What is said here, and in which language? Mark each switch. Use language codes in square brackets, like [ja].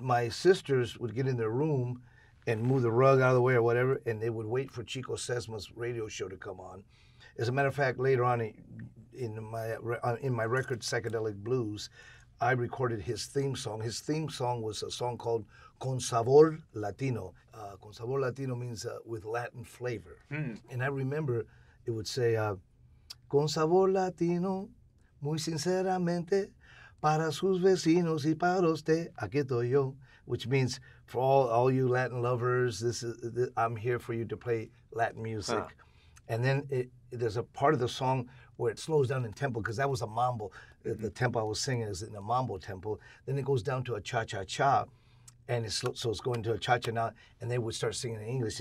[en] my sisters would get in their room and move the rug out of the way or whatever, and they would wait for Chico Sesma's radio show to come on. As a matter of fact, later on in my record, Psychedelic Blues, I recorded his theme song. His theme song was a song called Con Sabor Latino. Con Sabor Latino means with Latin flavor. And I remember it would say, [es] Con Sabor Latino, muy sinceramente, para sus vecinos y para usted, aquí estoy yo. [en] Which means, for all you Latin lovers, I'm here for you to play Latin music. Huh. And then there's a part of the song where it slows down in tempo, because that was a mambo. The tempo I was singing is in a mambo tempo. Then it goes down to a cha-cha-cha, and it's going to a cha-cha now, and they would start singing in English.